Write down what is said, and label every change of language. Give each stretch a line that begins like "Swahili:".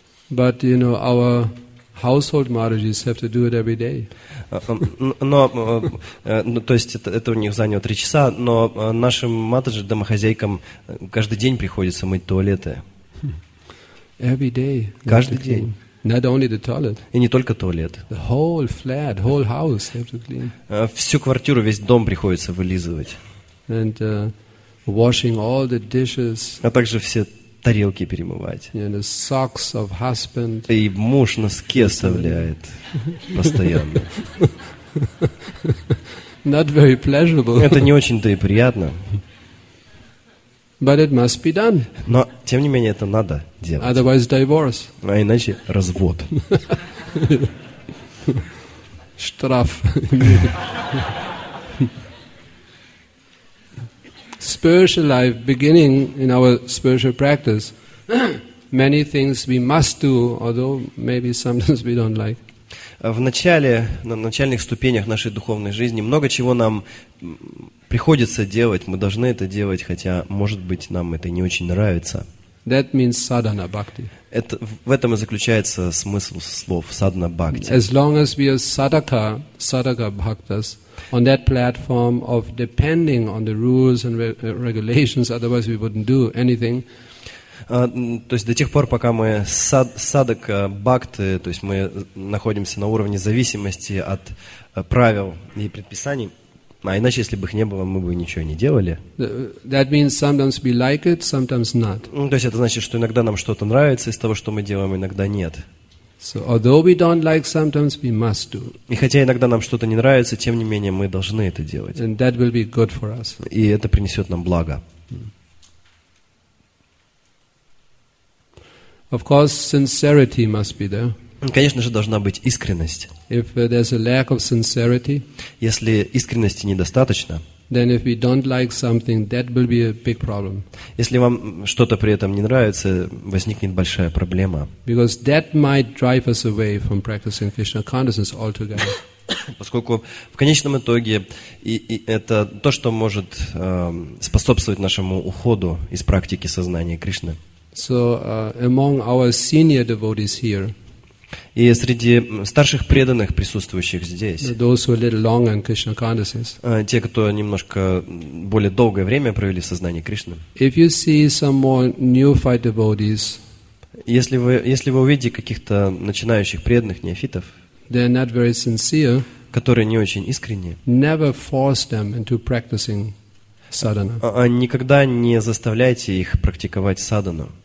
English: But you know our household Madhijis have to do it every day.
Russian: Но, то есть это у них заняло 3 часа, но нашим матаджи, домохозяйкам, каждый день приходится мыть туалеты.
English: Every day.
Russian: Каждый день.
English: Not only the toilet.
Russian: И не только туалет.
English: The whole flat, whole house have to clean.
Russian: Всю квартиру, весь дом приходится вылизывать.
English: And washing all the dishes.
Russian: А также все тарелки перемывать.
English: And the socks of husband.
Russian: И муж носки оставляет постоянно.
English: Not very pleasurable.
Russian: Это не очень-то и приятно.
English: But it must be done.
Russian: Но, тем не менее, это надо делать.
English: Otherwise, divorce.
Russian: А иначе развод. Штраф.
English: Spiritual life, beginning in our spiritual practice, many things we must do, although maybe sometimes we don't like.
Russian: В начале, на начальных ступенях нашей духовной жизни много чего нам приходится делать, мы должны это делать, хотя, может быть, нам это не очень нравится.
English: That means sadhana bhakti.
Russian: Это, в этом и заключается смысл слов sadhana bhakti.
English: As long as we are sadhaka bhaktas, on that platform of depending on the rules and regulations, otherwise we wouldn't do anything.
Russian: То есть до тех пор, пока мы садака бхакты, то есть мы находимся на уровне зависимости от правил и предписаний, а иначе, если бы их не было, мы бы ничего не делали.
English: That means sometimes we like it, sometimes not.
Russian: То есть это значит, что иногда нам что-то нравится из того, что мы делаем, иногда нет.
English: So, although we don't like, sometimes we must do.
Russian: И хотя иногда нам что-то не нравится, тем не менее мы должны это делать.
English: And that will be good for us.
Russian: И это принесет нам благо.
English: Of course, sincerity must be there.
Russian: Конечно же, должна быть искренность.
English: If there's a lack of sincerity,
Russian: если искренности недостаточно,
English: then if we don't like something, that will be a big problem.
Russian: Если вам что-то при этом не нравится, возникнет большая проблема.
English: Because that might drive us away from practicing Krishna consciousness altogether.
Russian: Поскольку в конечном итоге и это то, что может способствовать нашему уходу из практики сознания Кришны.
English: So among our senior devotees here.
Russian: И среди старших преданных, присутствующих здесь, те, кто немножко более долгое время провели в сознании Кришны, если вы увидите каких-то начинающих преданных неофитов, которые не очень искренние, никогда не заставляйте их практиковать садхану.